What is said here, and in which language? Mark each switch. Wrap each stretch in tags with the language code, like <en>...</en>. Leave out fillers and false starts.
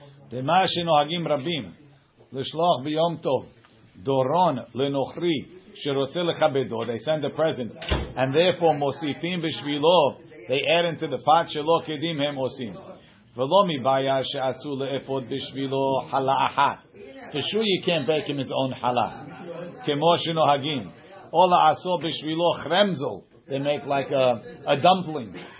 <he>דמאי שנוהגים רבים לשלוח ביום טוב דורון לנוכרי שרוצה לכבדו,</he> <en>they send a present, and therefore</en> <he>מוסיפים בשבילו,</he> <en>they add into the pot</en> <he>שלא קדים הם עושים. ולא מבעיה שעשו לאפות בשבילו חלה אחת.</he> <en>For sure you can't bake him his own חלה.</en> <he>כמו שנוהגים. או לעשו בשבילו חרמזל,</he> <en>they make like a dumpling.</en>